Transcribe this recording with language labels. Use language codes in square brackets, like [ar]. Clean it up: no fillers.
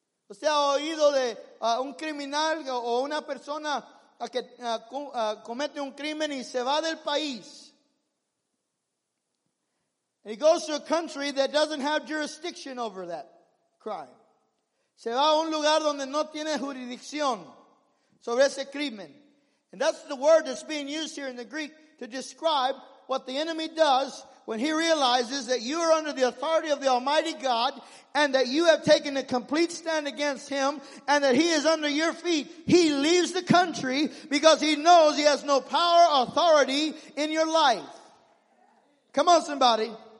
[es] O sea, ha oído de un criminal o una persona que comete un crimen y se va del país. [en] And he goes to a country that doesn't have jurisdiction over that crime. [es] Se va a un lugar donde no tiene jurisdicción sobre ese crimen. [en] And that's the word that's being used here in the Greek to describe what the enemy does when he realizes that you are under the authority of the Almighty God and that you have taken a complete stand against him and that he is under your feet. He leaves the country because he knows he has no power or authority in your life. Come on, somebody.